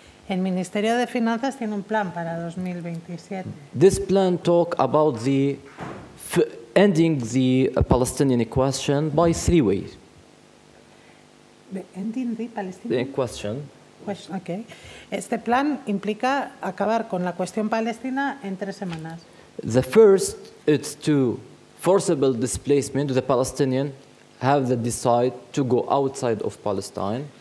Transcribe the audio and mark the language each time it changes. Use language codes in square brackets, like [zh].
[es] El Ministerio de Finanzas tiene un plan para 2027. [en] This plan talk about the ending the Palestinian question by three ways. The ending the Palestinian question. Okay. [es] Este plan implica acabar con la cuestión palestina en tres semanas. [en] The first, it's to forcible displacement. The Palestinian have the decide to go outside of Palestine.